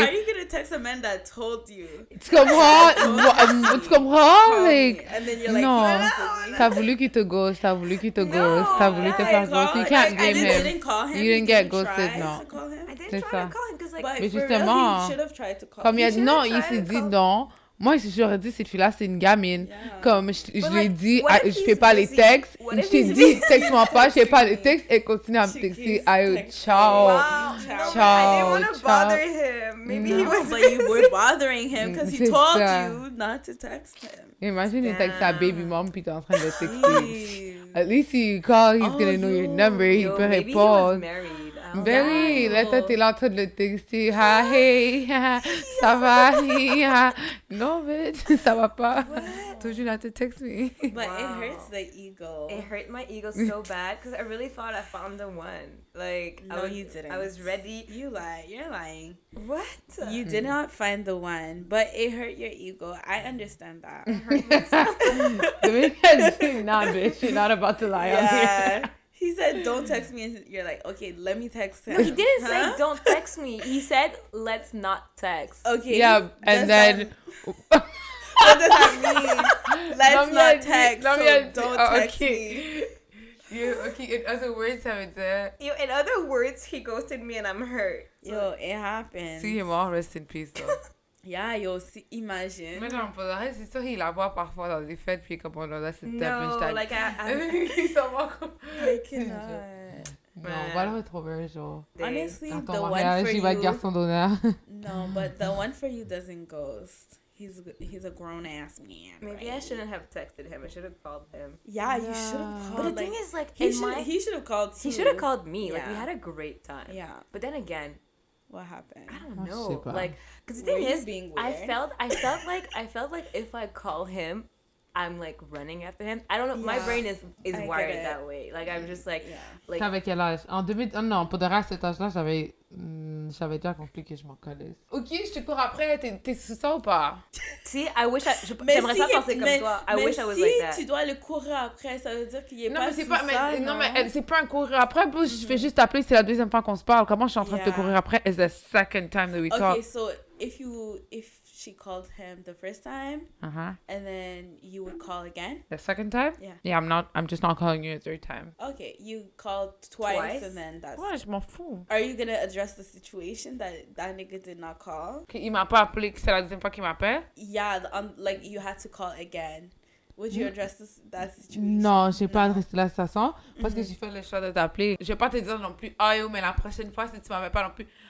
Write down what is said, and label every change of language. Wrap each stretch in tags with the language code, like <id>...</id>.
<en>How are you going to text a man that told you?</en> <fr>Tu comprends? Tu comprends? Like, non. T'as voulu qu'il te ghost. T'as voulu qu'il te ghost. T'as voulu te faire ghost.</fr> <en>You can't blame him. I didn't call him. You didn't get ghosted, non. I didn't try to call him. I didn't try to call him. Because, like, for real, he should have tried to call him.</en> <fr>Comme il a dit non, il s'est dit non. Moi, si j'aurais dit, cette fille-là, c'est une gamine. Yeah. Comme je l'ai dit, je fais pas les textes. Je t'ai dit, texte-moi pas, je fais pas les textes. Et continue à me texter. Ciao.</fr> <en>Wow. Ciao. No, ciao. I didn't want to bother him. Maybe he was busy. But you were bothering him because he told you not to text him. Imagine you text that baby mom</en> <fr>puis t'es en train de texter.</fr> <en>At least if you call, he's going to know your number. Yo,</en> <fr>peut répondre.</fr> <en>Maybe he was married. Very, let's say you're in the middle of texting. Hi, hey,</en> <fr>ça va, no, bitch, ça va pas.</fr> <en>Told you not to text me. But it hurts the ego. It hurt my ego so bad because I really thought I found the one. Like, no, you didn't. I was ready. You lie. You're lying. What? You did not find the one, but it hurt your ego. I understand that. It hurt myself. Nah, bitch, you're not about to lie on here. He said, don't text me. And you're like, okay, let me text him. No, he didn't say, don't text me. He said, let's not text. Okay. Yeah, and then. What does that mean? Let's not text. Don't text me. Okay, in other words, I'm dead. In other words, he ghosted me and I'm hurt. So, yo, it happened. See him all, rest in peace, though. Yeah, yo, see, imagine.</en> <fr>Mais non, pour le reste, c'est sûr qu'il la voit parfois dans des fêtes, puis comme on l'a dit, c'est tellement chouette. Non, like,</fr> <en>I cannot.</en> <fr>Non, on va le retrouver un jour.</fr> <en>Honestly, the one for you.</en> <fr>J'y vais garçon d'honneur.</fr> <en>No, but the one for you doesn't ghost. He's a grown-ass man. Maybe right? I shouldn't have texted him. I should have called him. Yeah, you should have called. But the thing is, like, he should have called too. He should have called me. Yeah. Like, we had a great time. Yeah. But then again, what happened? I don't know. Super. Like, because the thing is, being weird? I felt like if I call him, I'm like running after him. I don't know. Yeah. My brain is wired that way. Like, I'm just like,</en> <fr>T'avais quel âge? En 2000, oh, non, pour de reste cet âge-là, j'avais J'avais déjà compris que je m'en connais. Ok, je te cours après, t'es sous ça ou pas?</fr> <en>See, I wish I,</en> <fr>j'aimerais si, ça penser comme toi.</fr> <en>I wish</en> <fr>si</fr> <en>I was like that.</en> <fr>Si tu dois le courir après, ça veut dire qu'il est non, pas sous pas, ça, non? Non, mais c'est pas un courir après. Bon, mm-hmm. Je vais juste t'appeler, c'est la deuxième fois qu'on se parle. Comment je suis en train de te courir après?</fr> <en>It's the second time that we talk. Okay, so if she called him the first time, uh-huh. And then you would call again? The second time? Yeah. I'm just not calling you a third time. Okay, you called twice and then that's...</en> <fr>Ouais, je m'en fous.</fr> <en>Are you gonna address the situation that nigga did not call?</en> <fr>Il m'a pas appelé, que c'est la deuxième fois qu'il m'appelle?</fr> <en>Yeah, like you had to call again. Would you address that situation?</en> <fr>Non, j'ai pas adressé la situation parce que j'ai fait le choix de t'appeler. Je vais pas te dire non plus, oh yo, mais la prochaine fois, si tu m'appelles pas non plus...</fr>